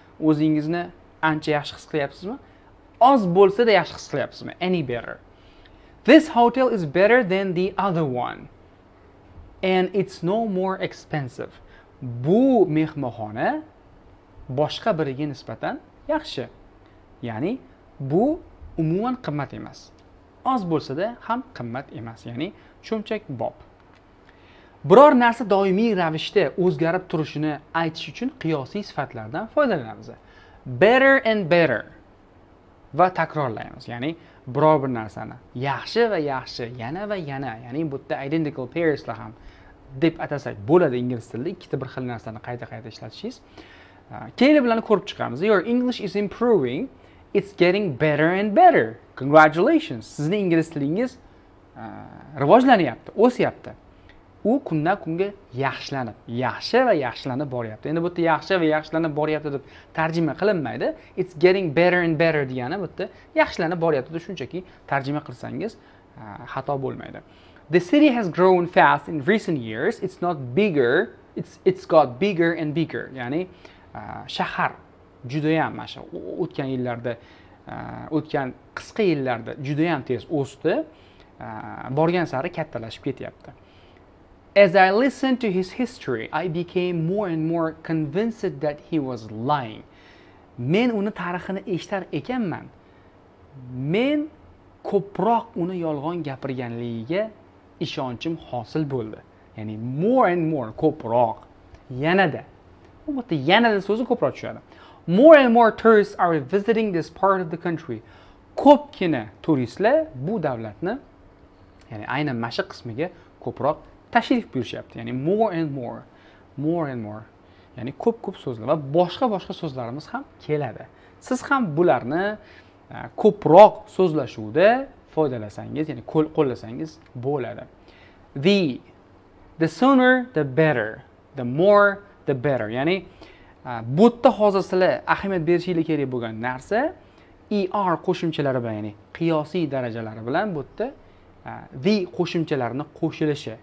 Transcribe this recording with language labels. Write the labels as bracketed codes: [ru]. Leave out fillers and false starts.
[uz] O'zingizni ancha yaxshi his qilyapsizmi? Oz bo'lsa-da yaxshi his qilyapsizmi? [en] Any better? This hotel is better than the other one. And it's no more expensive. [uz] Bu mehmonxona boshqa biriga nisbatan yaxshi. Ya'ni bu umuman qimmat emas. Oz bo'lsa-da ham qimmat emas, ya'ni shunchak bob. Biror narsa doimiy ravishda o'zgarib turishini aytish uchun qiyosiy sifatlardan foydalanamiz. [en] Better and better va takrorlaymiz. [uz] Ya'ni biror bir narsani yaxshi va yaxshi, yana va yana, ya'ni bu yerda [en] identical pairs [uz] la ham deb atasak bo'ladi ingliz tilida ikkita bir xil narsani qayta-qayta ishlatishingiz. Keyingi bilan ko'rib chiqamiz. [en] Your English is improving. It's getting better and better. Congratulations. [uz] Sizning ingliz tilingiz rivojlanyapti, o'syapti. u kundan kunga yaxshilanib, yaxshi va yaxshilanib boryapti. Endi bu yerda yaxshi va yaxshilanib boryapti deb tarjima qilinmaydi. [en] It's getting better and better [uz] degani bu yerda yaxshilanib boryapti deb shunchaki tarjima qilsangiz xato bo'lmaydi. [en] The city has grown fast in recent years. It's not bigger. It's got bigger and bigger. [uz] Ya'ni shahar juda ham mana shu o'tgan yillarda o'tgan qisqa yillarda juda ham tez o'sdi. Borgan sari kattalashib ketyapti. [en] As I listened to his history, I became more and more convinced that he was lying. [uz] Men uni tarixini eshitar ekanman, men ko'proq uni yolg'on gapirganligiga ishonchim hosil bo'ldi. Ya'ni [en] more and more [uz] ko'proq, yanada. Bu yerda yanada so'zi ko'proq tushadi. [en] More and more tourists are visiting this part of the country. [uz] Ko'pgina turistlar bu davlatni, ya'ni aynan mana shu qismiga ko'proq tashrif buyurishyapti. [en] Ya'ni more and more, more and more. [uz] Ya'ni ko'p-ko'p so'zlar va boshqa-boshqa so'zlarimiz ham keladi. Siz ham bularni ko'proq so'zlashuvda foydalasangiz, ya'ni qo'llasangiz bo'ladi. [en] The sooner the better, the more the better. [uz] Ya'ni bu yerda hozir sizlar ahamiyat berishingiz kerak bo'lgan narsa ER qo'shimchalari bilan, ya'ni qiyosiy darajalari bilan bu yerda the qo'shimchalarini qo'shilishi.